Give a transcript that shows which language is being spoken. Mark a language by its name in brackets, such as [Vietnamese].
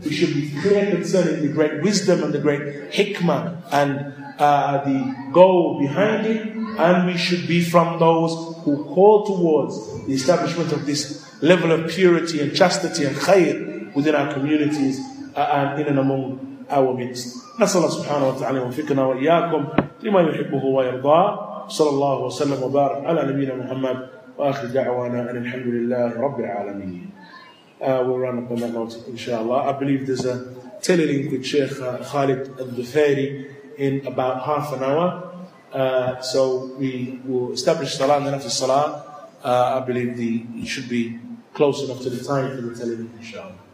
[English] We should be clear concerning the great wisdom and the great hikmah and the goal behind it. And we should be from those who call towards the establishment of this level of purity and chastity and khayr within our communities and in and among our midst. [Arabic] نسأل الله سبحانه وتعالى وفقنا وإياكم لما يحبه ويرضى صلى الله وسلم وبارك على نبينا محمد وآخر دعوانا أن الحمد لله رب العالمين. [English] We'll run up on that note, inshallah. I believe there's a telelink with Sheikh Khalid al-Dhufairi in about half an hour. So we will establish salah and then after salah, I believe it should be close enough to the time for the telelink, inshallah.